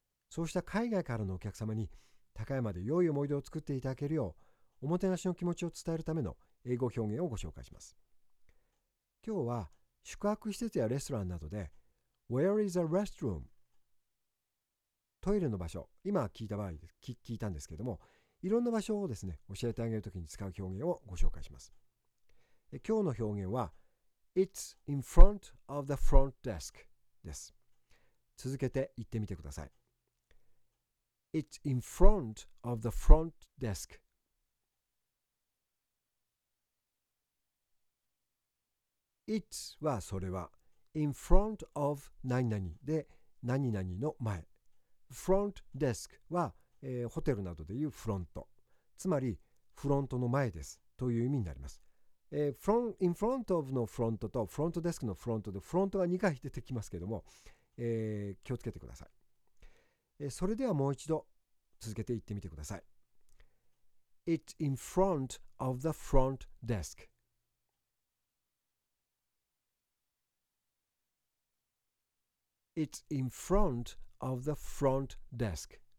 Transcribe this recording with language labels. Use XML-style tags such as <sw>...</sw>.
<ja>そうした海外からのお客様に高山で良い思い出を作っていただけるよう、おもてなしの気持ちを伝えるための英語表現をご紹介します。今日は宿泊施設やレストランなどで</ja> <en>Where is the restroom?</en> <ja>トイレの場所、今聞いたんですけども、いろんな場所をですね、教えてあげるときに使う表現をご紹介します。今日の表現は、</ja> <en>It's in front of the front desk</en> <ja>です。続けて言ってみてください。</ja> <en>It's in front of the front desk。</en> <ja>It's はそれは、</ja> <en>in front of</en> <ja>何々で、何々の前。フロントデスクは、ホテルなどでいうフロント、つまりフロントの前ですという意味になります。</ja> <en>in front of</en> <ja>のフロントとフロントデスクのフロントでフロントが2回出てきますけども、気をつけてください。それではもう一度続けて言ってみてください。</ja> <en>It's in front of the front desk. It's in front of the front desk.</en>